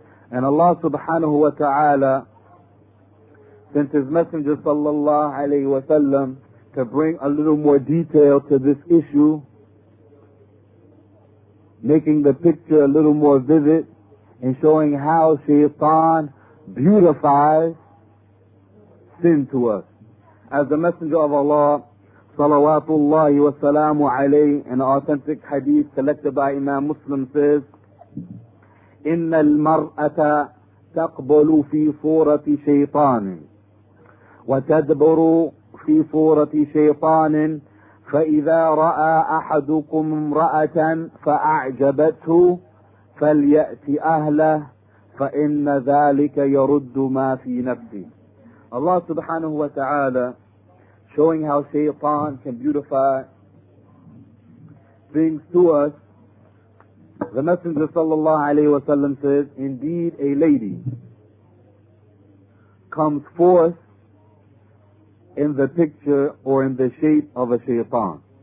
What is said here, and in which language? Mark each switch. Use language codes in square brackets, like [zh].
[en] And Allah subhanahu wa ta'ala sent his messenger sallallahu alayhi wa sallam to bring a little more detail to this issue, making the picture a little more vivid and showing how shaitan beautifies sin to us. As the messenger of Allah salawatullahi wa salamu alayhi, an authentic hadith collected by Imam Muslim, says, [ar] إِنَّ الْمَرْأَةَ تَقْبَلُ فِي صُورَةِ شَيْطَانٍ وَتَدْبُرُ فِي صُورَةِ شَيْطَانٍ فَإِذَا رَأَى أَحَدُكُمْ امْرَأَةً فَأَعْجَبَتْهُ فَلْيَأْتِ أَهْلَهُ فَإِنَّ ذَلِكَ يَرُدُّ مَا فِي نَفْسِهِ. [en] Allah subhanahu wa ta'ala showing how shaytan can beautify things to us. The Messenger sallallahu alayhi wa sallam says, indeed a lady comes forth in the picture or in the shape of a shaitan.